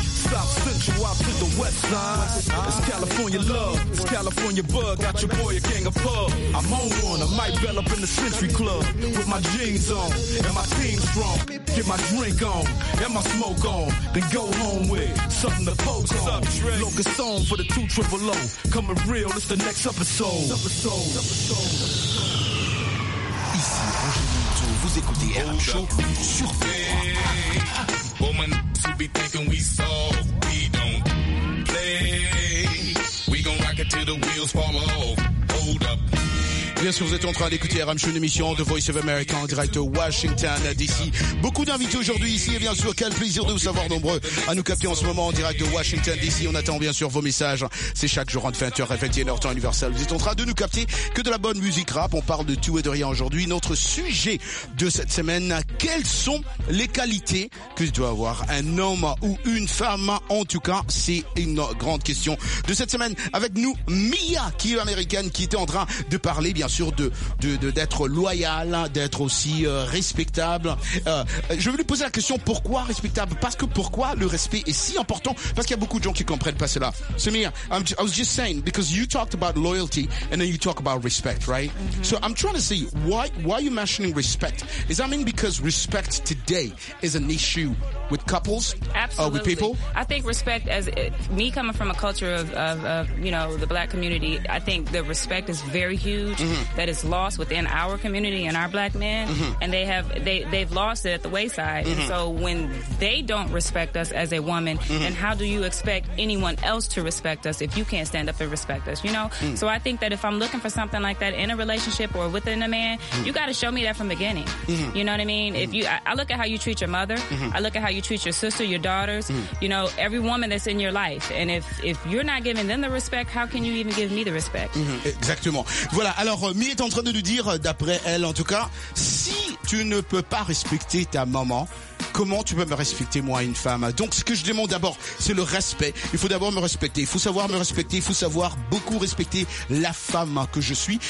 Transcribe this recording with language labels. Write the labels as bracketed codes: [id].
[en] South Central out to the west side. It's California love, it's California bug. Got your boy a gang of pub. I'm on one, I might bell up in the Century Club. With my jeans on, and my team strong. Get my drink on, and my smoke on. Then go home with something to poke on. Locust on for the 2-triple-O. Coming real, it's the next episode. [fr] Ici Roger Mouton, vous écoutez RM Show sur [en] Woman, she be thinking we soft, we don't play. We gon' rock it till the wheels fall off. Hold up. [fr] Bien sûr, vous êtes en train d'écouter RM Show, une émission de Voice of America en direct de Washington, D.C. Beaucoup d'invités aujourd'hui ici, et bien sûr, quel plaisir de vous savoir nombreux à nous capter en ce moment en direct de Washington, D.C. On attend bien sûr vos messages. C'est chaque jour entre 20h et 21h, temps universel. Vous êtes en train de nous capter que de la bonne musique rap. On parle de tout et de rien aujourd'hui. Notre sujet de cette semaine, quelles sont les qualités que doit avoir un homme ou une femme? En tout cas, c'est une grande question de cette semaine. Avec nous, Mia, qui est américaine, qui était en train de parler, bien sûr, sûr d'être loyal, d'être aussi respectable. Je vais lui poser la question, pourquoi respectable? Parce que pourquoi le respect est si important? Parce qu'il y a beaucoup de gens qui comprennent pas cela. [en] Samir, I was just saying, because you talked about loyalty and then you talk about respect, right? Mm-hmm. So I'm trying to say, why are you mentioning respect? Is that mean because respect today is an issue with couples? Absolutely. With people? I think respect, as me coming from a culture of you know, the black community, I think the respect is very huge, mm-hmm. that is lost within our community and our black men, mm-hmm. and they've lost it at the wayside. Mm-hmm. And so when they don't respect us as a woman, mm-hmm. and how do you expect anyone else to respect us if you can't stand up and respect us, you know? Mm. So I think that if I'm looking for something like that in a relationship or within a man, mm. you got to show me that from the beginning. Mm-hmm. You know what I mean? Mm. If you, I look at how you treat your mother. Mm-hmm. I look at how you treat your sister, your daughters, mm. you know, every woman that's in your life. And if you're not giving them the respect, how can you even give me the respect? Mm-hmm. [fr] Exactement. Voilà. Alors, Mie est en train de nous dire, d'après elle en tout cas, si tu ne peux pas respecter ta maman, comment tu peux me respecter, moi, une femme? Donc, ce que je demande d'abord, c'est le respect. Il faut d'abord me respecter. Il faut savoir me respecter. Il faut savoir beaucoup respecter la femme que je suis.